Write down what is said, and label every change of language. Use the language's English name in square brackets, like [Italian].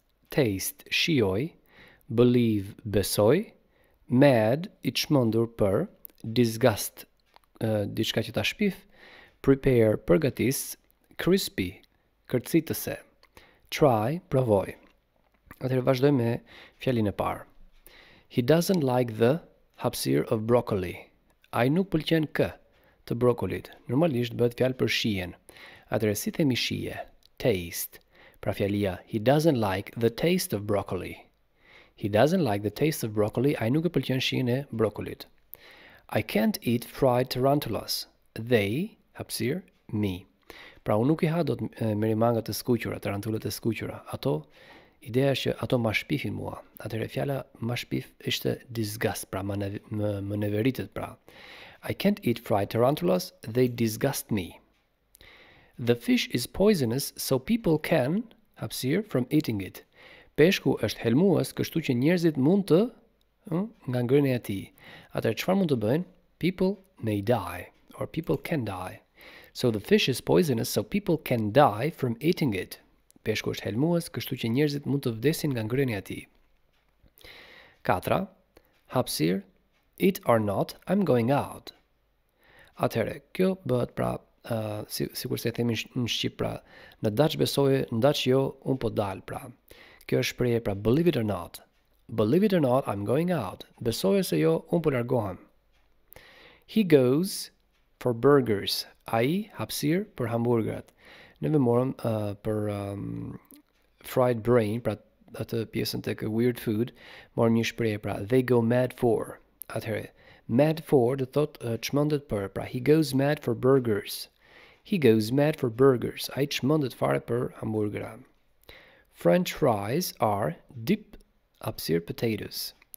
[English] Taste shijoj. Believe besoj. [Albanian] Mad i çmendur për. Disgust diçka që ta shpif. Prepare përgatis. Crispy kërcitëse. Try provoj. Atëherë vazhdojmë me fjalin e parë. [English] He doesn't like the hapsir of broccoli. [Albanian] Ai nuk pëlqen kë të brokolit. Normalisht bëhet fjalë për shijen. Atëherë si themi shije? Taste. [English] Pra fjalia he doesn't like the taste of broccoli. He doesn't like the taste of broccoli. [Albanian] Ai nuk e pëlqen shijen e brokolit. [English] I can't eat fried tarantulas. They, hapsir, me. [Albanian] Pra unë nuk i ha dot merimangat të skuqura, tarantulat e skuqura. Ato ideja është që ato ma shpifin mua. Atëherë fjala ma shpif është disgust, pra më neveritet pra. [English] I can't eat fried tarantulas, they disgust me. The fish is poisonous, so people can, hapsir, from eating it. [Albanian] Peshku është helmues, kështu që njerëzit mund të, nga ngrënia e tij. Atëherë çfarë mund të bëjnë? [English] People may die, or people can die. So the fish is poisonous, so people can die from eating it. [Albanian] Peshku është helmues, kështu që njerëzit mund të vdesin nga ngrënia e tij. 4. [English] Hapsir, eat or not, I'm going out. [Albanian] Atëherë, kjo bëhet pra, sikur se e themi në Shqip, pra, në Dutch besoje, në Dutch jo, unë po dal, pra. Kjo është shprehje, pra, [English] believe it or not. Believe it or not, I'm going out. [Albanian] Besoje se jo, unë po largohem. [English] He goes for burgers. [Albanian] Ai, hapsir, për hamburgerat. Ne vëmorëm për fried brain, pra atë pjesën tek weird food, morëm një shprehje pra [English] they go mad for. [Albanian] Atëherë, mad for do thotë çmendet për, pra [English] he goes mad for burgers. He goes mad for burgers. [Albanian] Ai çmendet fare për hamburgera. [English] French fries are dip hapsir potatoes.